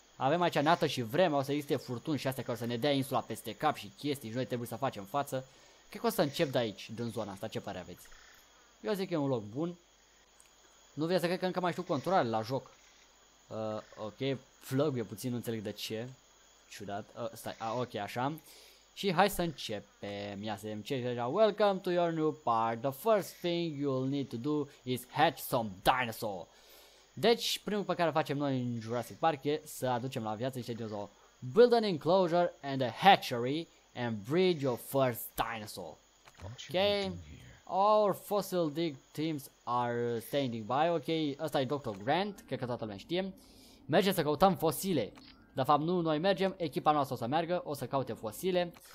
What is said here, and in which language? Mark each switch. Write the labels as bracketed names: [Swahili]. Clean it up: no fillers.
[Romanian] Avem aici neată și vreme, o să existe furtuni și astea care o să ne dea insula peste cap și chestii și noi trebuie să facem față. Cred că o să încep de aici, din zona asta, ce pare aveți? Eu zic că e un loc bun. Nu vrei să cred că încă mai știu controlele la joc. Ok, flăguie puțin, nu înțeleg de ce. Ciudat, stai, ok, așa. Și hai să începem. Ia să vedem ce zice. [English] Welcome to your new part. The first thing you'll need to do is hatch some dinosaur. [Romanian] Deci, primul pe care facem noi în Jurassic Park e să aducem la viață niște dinozauri. [English] Build an enclosure and a hatchery and breed your first dinosaur. Ok. Our fossil dig teams are standing by. [Romanian] Ok, ăsta e Dr. Grant, cred că toată lumea știe. Mergem să căutăm fosile. De fapt, nu noi mergem, echipa noastră o să meargă, o să caute fosile.